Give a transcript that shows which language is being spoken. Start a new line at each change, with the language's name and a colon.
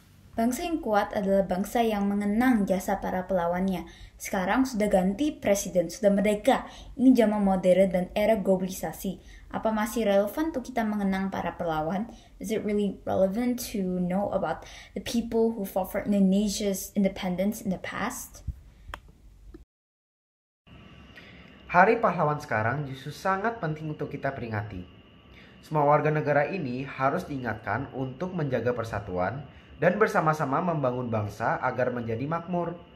Indonesian: Bangsa yang kuat adalah bangsa yang mengenang jasa para pelawannya. Sekarang sudah ganti presiden, sudah merdeka. Ini zaman modern dan era globalisasi. Apa masih relevan untuk kita mengenang para pelawan?
English: Is it really relevant to know about the people who fought for Indonesia's independence in the past?
Indonesian: Hari Pahlawan sekarang justru sangat penting untuk kita peringati. Semua warga negara ini harus diingatkan untuk menjaga persatuan dan bersama-sama membangun bangsa agar menjadi makmur.